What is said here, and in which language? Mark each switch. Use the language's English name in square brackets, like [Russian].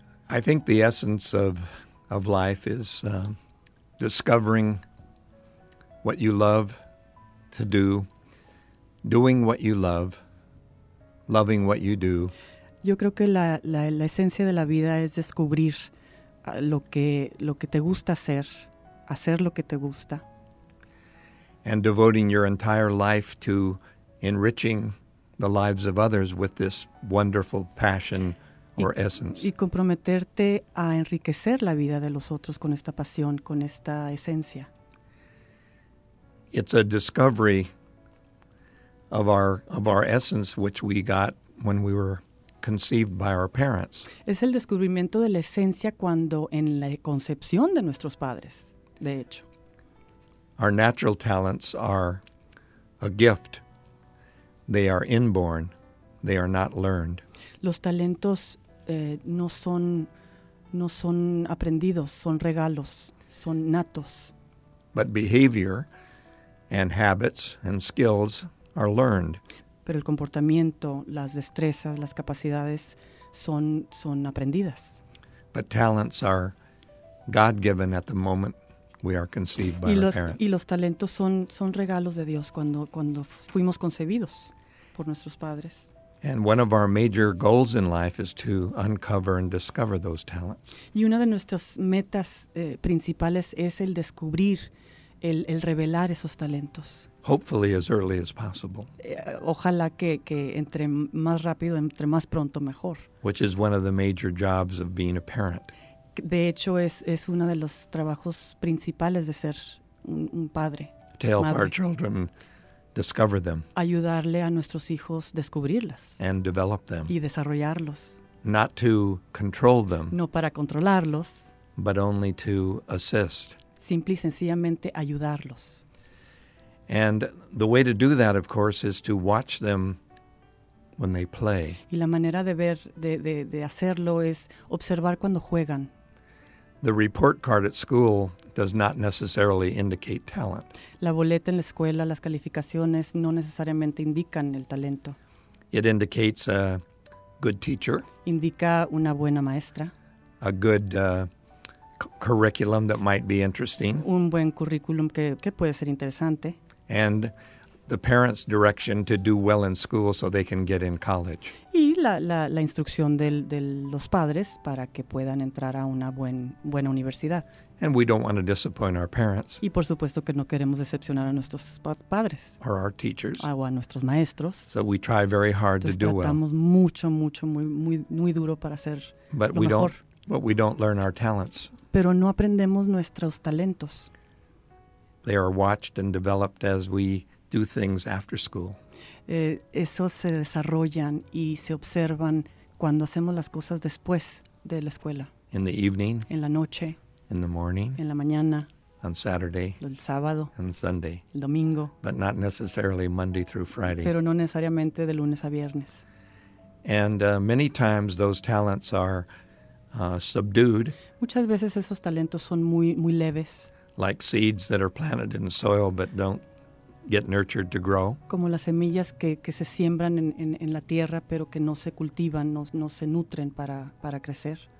[English] I think the essence of life is discovering what you love to do, doing what you love, loving what you do. [Spanish] Yo creo que la esencia de la vida es descubrir lo que te gusta hacer, hacer lo que te gusta. [English] And devoting your entire life to enriching the lives of others with this wonderful passion or essence. [Spanish] Y comprometerte a enriquecer la vida de los otros con esta pasión, con esta esencia. [English] It's a discovery of our essence which we got when we were conceived by our parents. [Spanish] Es el descubrimiento de la esencia cuando en la concepción de nuestros padres, de hecho. [English] Our natural talents are a gift. They are inborn. They are not learned. [Spanish] Los talentos no son aprendidos, son regalos, son natos. [English] But behavior and habits and skills are learned. [Spanish] Pero el comportamiento, las destrezas, las capacidades son aprendidas. [English] But talents are God-given at the moment we are conceived by our parents. [Spanish] Y los talentos son regalos de Dios cuando fuimos concebidos por nuestros padres. [English] And one of our major goals in life is to uncover and discover those talents. [Spanish] Y una de nuestras metas principales es el descubrir, el revelar esos talentos. [English] Hopefully as early as possible. [Spanish] Ojalá que entre más rápido, entre más pronto, mejor. [English] Which is one of the major jobs of being a parent. [Spanish] De hecho, es uno de los trabajos principales de ser un padre. [English] To help our children discover them. [Spanish] Ayudarle a nuestros hijos descubrirlas. [English] And develop them. [Spanish] Y desarrollarlos. [English] Not to control them. [Spanish] No para controlarlos. [English] But only to assist. [Spanish] Simple y sencillamente ayudarlos. [English] And the way to do that, of course, is to watch them when they play. [Spanish] Y la manera de ver, de hacerlo es observar cuando juegan. [English] The report card at school does not necessarily indicate talent. [Spanish] La boleta en la escuela, las calificaciones no necesariamente indican el talento. [English] It indicates a good teacher. [Spanish] Indica una buena maestra. [English] A good curriculum that might be interesting. [Spanish] Un buen currículum que puede ser interesante. [English] And the parents' direction to do well in school so they can get in college. [Spanish] Y la instrucción de los padres para que puedan entrar a una buena universidad. [English] And we don't want to disappoint our parents. [Spanish] Y por supuesto que no queremos decepcionar a nuestros padres. [English] Or our teachers. [Spanish] O a nuestros maestros. [English] So we try very hard [Spanish] Entonces, [English] to do well. [Spanish] Tratamos mucho, muy, muy, muy duro para hacer [English] but [Spanish] lo [English] we [Spanish] mejor. [English] But we don't learn our talents. [Spanish] Pero no aprendemos nuestros talentos. [English] They are watched and developed as we do things after school. [Spanish] Eso se desarrollan y se observan cuando hacemos las cosas después de la escuela. [English] In the evening. [Spanish] En la noche. [English] In the morning. [Spanish] En la mañana. [English] On Saturday. [Spanish] El sábado. [English] And Sunday. [Spanish] El domingo. [English] But not necessarily Monday through Friday. [Spanish] Pero no necesariamente de lunes a viernes. [English] And many times those talents are subdued. [Spanish] Muchas veces esos talentos son muy, muy leves. [English] Like seeds that are planted in soil but don't get nurtured to grow. [Spanish] Como las semillas que se siembran en la tierra pero que no se cultivan, no se nutren para crecer.